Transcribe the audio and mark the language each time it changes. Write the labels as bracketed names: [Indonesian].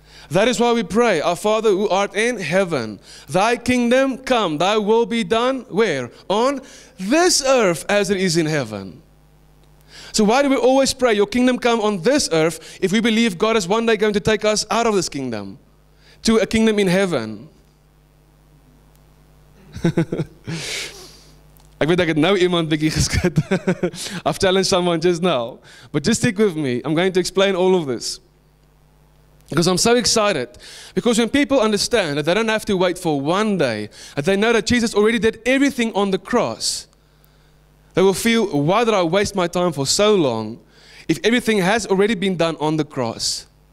[English] That is why we pray, our Father who art in heaven, thy kingdom come, thy will be done, where? On this earth as it is in heaven. So why do we always pray, your kingdom come on this earth, if we believe God is one day going to take us out of this kingdom, to a kingdom in heaven? [Afrikaans] Ek weet ek het nou iemand bietjie geskit. [English] I've challenged someone just now. But just stick with me, I'm going to explain all of this. Because I'm so excited. Because when people understand that they don't have to wait for one day, that they know that Jesus already did everything on the cross, they will feel, why did I waste my time for so long if everything has already been done on the cross?